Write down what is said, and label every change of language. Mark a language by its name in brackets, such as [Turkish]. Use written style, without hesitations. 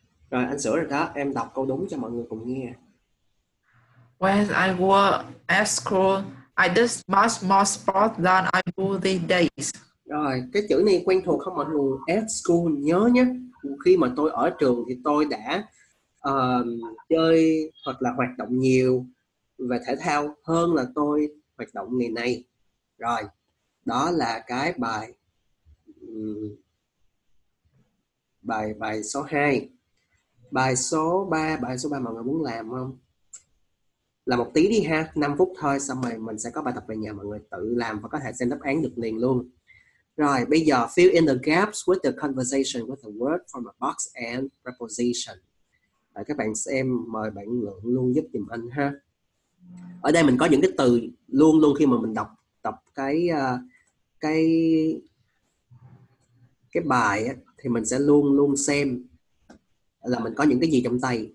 [Vietnamese] Rồi anh sửa rồi đó, em đọc câu đúng cho mọi người cùng nghe. [English] When I was at school, I did much more sport than I do these days. [Vietnamese] Rồi, cái chữ này quen thuộc không mọi người? [English] At school, [Vietnamese] nhớ nhé. Khi mà tôi ở trường thì tôi đã chơi hoặc là hoạt động nhiều về thể thao hơn là tôi hoạt động ngày nay. Rồi, đó là cái bài bài số 2. Bài số 3, mọi người muốn làm không? Làm một tí đi ha, 5 phút thôi, xong rồi mình sẽ có bài tập về nhà, mọi người tự làm và có thể xem đáp án được liền luôn. Rồi, bây giờ [English] fill in the gaps with the conversation with the word from a box and preposition. [Vietnamese] Rồi, các bạn xem, mời bạn Luận luôn giúp tìm anh ha. Ở đây mình có những cái từ luôn luôn khi mà mình đọc tập cái bài á, thì mình sẽ luôn luôn xem là mình có những cái gì trong tay.